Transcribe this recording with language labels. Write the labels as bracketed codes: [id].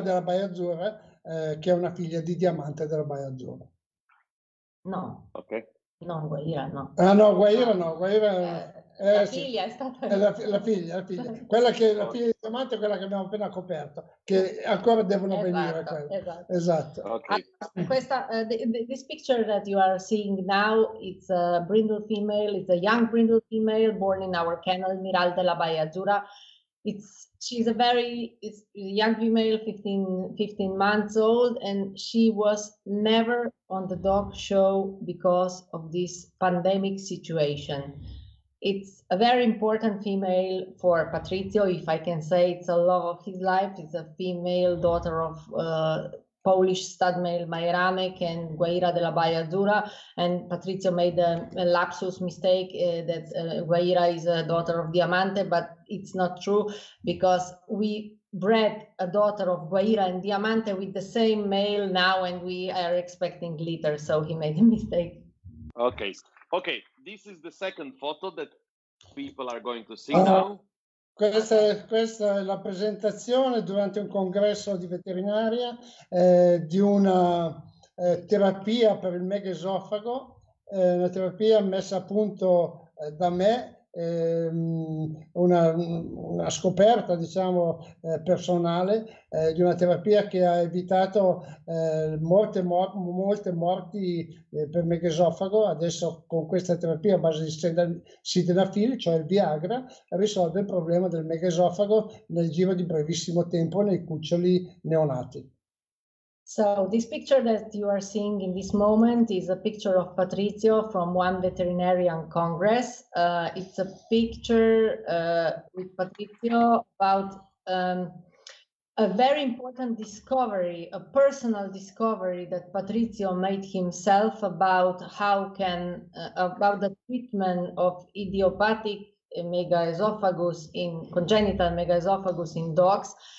[it] della Baia Azzurra, che è una figlia di Diamante della Baia Azzurra. No. Ok. No, Guaira no. Ah no, Guaira. La figlia. Quella che la figlia di Diamante è quella che abbiamo appena coperto, che ancora devono venire. Esatto. [en] Okay. [it] Questa [en] this picture that you are seeing now, it's a brindle female, it's a young brindle female born in our kennel Miral della Baia Azzurra. She's a young female, 15 months old, and she was never on the dog show because of this pandemic situation. It's a very important female for Patrizio, if I can say, it's a love of his life. It's a female daughter of Polish stud male Majeranek and Guaira della Baia Azzurra. And Patrizio made a lapsus mistake that Guaira is a daughter of Diamante, but it's not true because we bred a daughter of Guaira and Diamante with the same male now, and we are expecting litter. So he made a mistake. Okay. Okay, this is the second photo that people are going to see now. [it] Questa è la presentazione durante un congresso di veterinaria di una terapia per il megaesofago, una terapia messa a punto da me, una scoperta, diciamo, personale di una terapia che ha evitato molte morti per megaesofago. Adesso con questa terapia a base di sildenafil, cioè il Viagra, risolve il problema del megaesofago nel giro di brevissimo tempo nei cuccioli neonati. [en] So this picture that you are seeing in this moment is a picture of Patrizio from one veterinarian congress. It's a picture with Patrizio about a very important discovery, a personal discovery that Patrizio made himself about about the treatment of idiopathic megaesophagus in congenital megaesophagus in dogs.